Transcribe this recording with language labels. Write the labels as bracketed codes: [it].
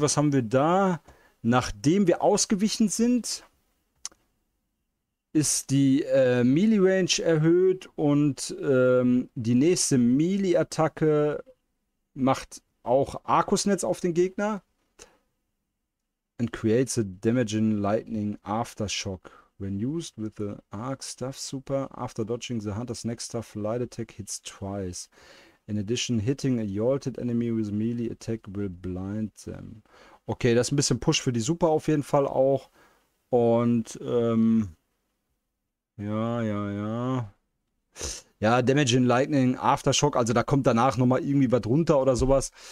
[de] Was haben wir da? Nachdem wir ausgewichen sind, ist die Melee-Range erhöht und die nächste Melee-Attacke macht auch Arkusnetz auf den Gegner. [en] And creates a damaging lightning aftershock. When used with the Arc Staff Super, after dodging the Hunter's next Staff Light Attack hits twice. In addition, hitting a yolted enemy with melee attack will blind them. [de] Okay, das ist ein bisschen Push für die Super auf jeden Fall auch. Und ja. Ja, Damage in Lightning, Aftershock, also da kommt danach nochmal irgendwie was runter oder sowas.